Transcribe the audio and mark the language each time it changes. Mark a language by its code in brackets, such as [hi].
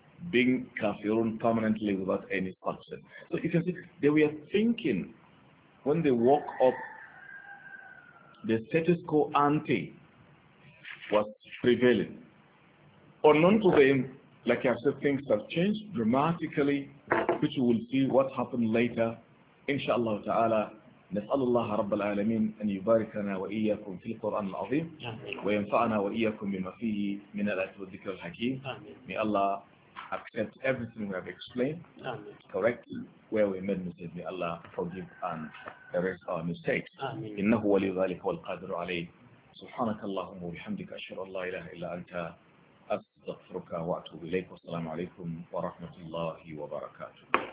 [en] being kafirun permanently without any person. So you can see they were thinking when they woke up, the status quo ante was prevailing. Unknown to them, like I said, things have changed dramatically, which we will see what happened later. [ar] Inshallah ta'ala, نسأل الله رب العالمين أن يباركنا وإياكم في القرآن العظيم وينفعنا وإياكم بما فيه من الآيات والذكر الحكيم. [en] May Allah accept everything we have explained correctly, where we made mistakes. May Allah forgive and erase our mistakes. [ar] إنه ولي ذلك والقادر عليه. سبحانك اللهم وبحمدك أشهد أن لا إله إلا أنت أستغفرك وأتوب إليك. والسلام عليكم ورحمة الله وبركاته.